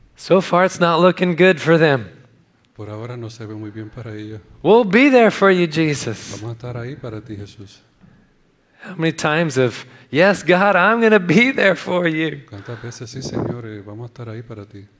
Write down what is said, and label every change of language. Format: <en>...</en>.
<en>So far it's not looking good for them.</en> <es>Por ahora no se ve muy bien para ellos.</es> <en>We'll be there for you, Jesus.</en> <es>Vamos a estar ahí para ti, Jesús.</es> <en>How many times have, yes, God, I'm going to be there for you.</en> <es>¿Cuántas veces, sí, Señor, vamos a estar ahí para ti?</es>